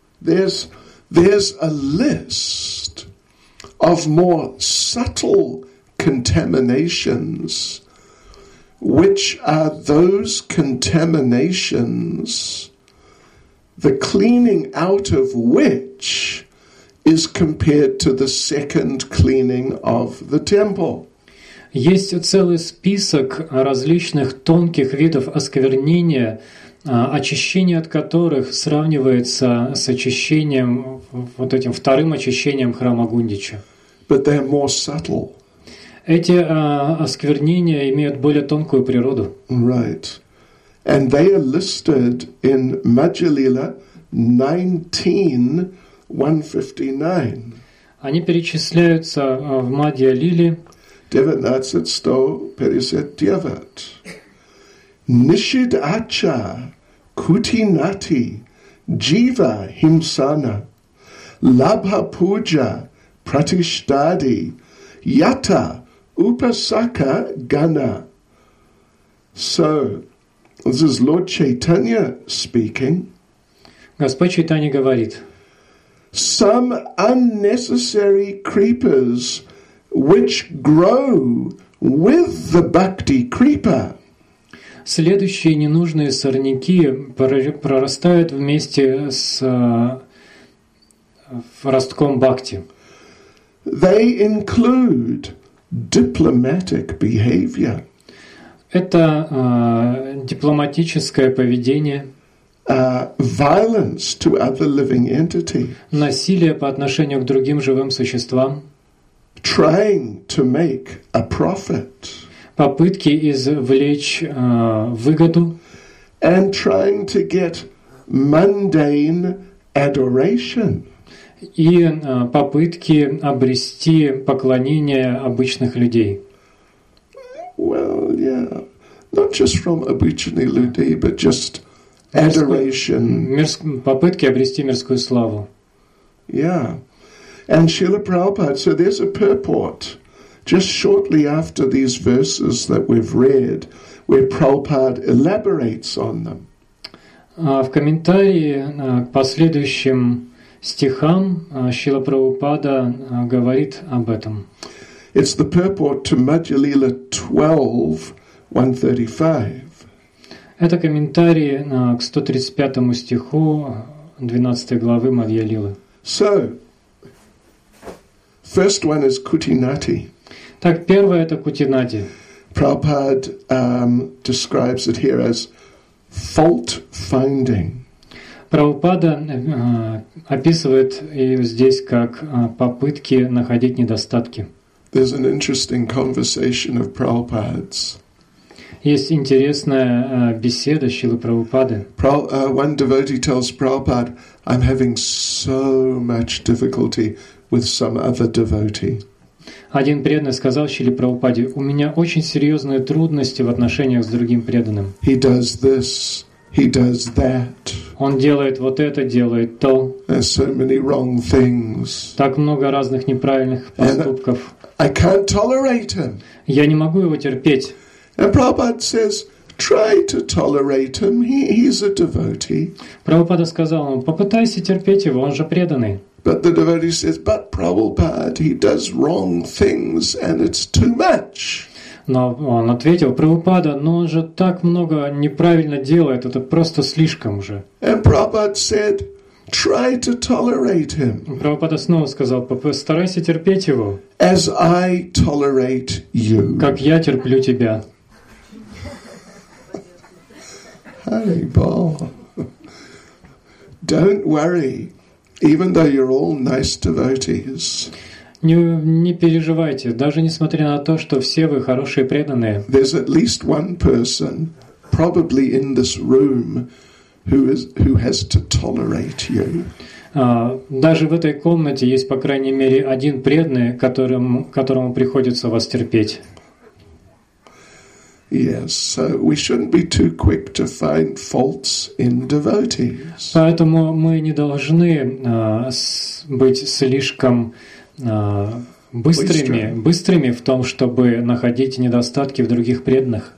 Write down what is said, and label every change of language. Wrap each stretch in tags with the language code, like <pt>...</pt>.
<en>There's a list of more subtle contaminations, which are those contaminations, the cleaning out of which is compared to the second cleaning of the temple.</en> <ru>Есть целый список различных тонких видов осквернения, очищение от которых сравнивается с очищением, вот этим вторым очищением храма Гундича.</ru> <en>But they're more subtle.</en> <ru>Эти осквернения имеют более тонкую природу.</ru> <en>Right. And they are listed in Majjhalila 19.159.</en> <ru>Они перечисляются в Мадья-лиле.</ru> <sa>Devanatsat sto perisetyavat. Nishidacha kutinati jiva himsana labha puja pratishtadi yata upasaka gana.</sa> <en>So this is Lord Chaitanya speaking.</en> <ru>Господь Чайтанья говорит.</ru> <en>Some unnecessary creepers which grow with the bhakti creeper.</en> <ru>Следующие ненужные сорняки прорастают вместе с ростком бхакти.</ru> <en>They include diplomatic behavior.</en> <ru>Это дипломатическое поведение.</ru> <en>Violence to other living entity.</en> <ru>Насилие по отношению к другим живым существам.</ru> <en>Trying to make a profit.</en> <ru>Попытки извлечь выгоду.</ru> <en>And trying to get mundane adoration.</en> <ru>И попытки обрести поклонение обычных людей.</ru> <en>Well, yeah. Not just from</en> <ru>обычные люди,</ru> <en>but just adoration.</en> <ru>Попытки обрести мирскую славу.</ru> <en>Yeah. And Śrīla Prabhupāda, so there's a purport just shortly after these verses that we've read, where Prabhupāda elaborates on them.</en> <ru>В комментарии к последующим стихам Śrīla Prabhupāda говорит об этом.</ru> <en>It's the purport to Majjhalila 12:135.</en> <ru>Это комментарий к 135 стиху 12 главы Мадья-лилы.</ru> <en>So, first one is kutinati.</en> <ru>Так, первое это кутинати.</ru> <en>Prabhupada describes it here as fault finding.</en> <ru>Prabhupada описывает ее здесь как попытки находить недостатки.</ru> <en>There's an interesting conversation of Prabhupada's.</en> <ru>Есть интересная беседа Шилы Прабхупады.</ru> <en>One devotee tells Prabhupada, I'm having so much difficulty with some other devotee.</en> <ru>Один преданный сказал Шиле Прабхупаде, у меня очень серьезные трудности в отношениях с другим преданным.</ru> <en>He does this, he does that.</en> <ru>Он делает вот это, делает то.</ru> <en>There's so many wrong things.</en> <ru>Так много разных неправильных поступков.</ru> <en>I can't tolerate him.</en> <ru>Я не могу его терпеть.</ru> <en>And Prabhupada says, try to tolerate him. He's a devotee.</en> <ru>Прабхупада сказал ему, попытайся терпеть его, он же преданный.</ru> <en>But the devotee says, but Prabhupada, he does wrong things and it's too much.</en> <ru>Но он ответил, Прабхупада, но он же так много неправильно делает, это просто слишком уже.</ru> <en>And Prabhupada said, try to tolerate him.</en> <ru>Прабхупада снова сказал, старайся терпеть его.</ru> <en>As I tolerate you.</en> <ru>Как я терплю тебя.</ru> <en>Hey, Paul. Don't worry. Even though you're all nice devotees.</en> <ru>Не переживайте, даже несмотря на то, что все вы хорошие преданные.</ru> <en>There's at least one person, probably in this room, who has to tolerate you.</en> <ru>Даже в этой комнате есть по крайней мере один преданный, которому приходится вас терпеть.</ru> <en>Yes, so we shouldn't be too quick to find faults in devotees.</en> <ru>Поэтому мы не должны быть слишком быстрыми в том, чтобы находить недостатки в других преданных.</ru>